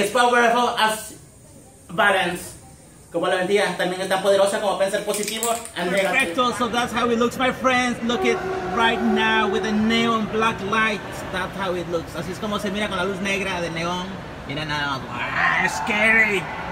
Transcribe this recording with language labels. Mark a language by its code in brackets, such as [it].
[en] As powerful as violence. [es] Como la mentira también es tan poderosa como pensar positivo. Perfecto. [en] So that's how it looks, my friends. Look it right now with the neon black light. That's how it looks. [es] Así es como se mira con la luz negra de neón. Mira nada más. [en] Wow, scary.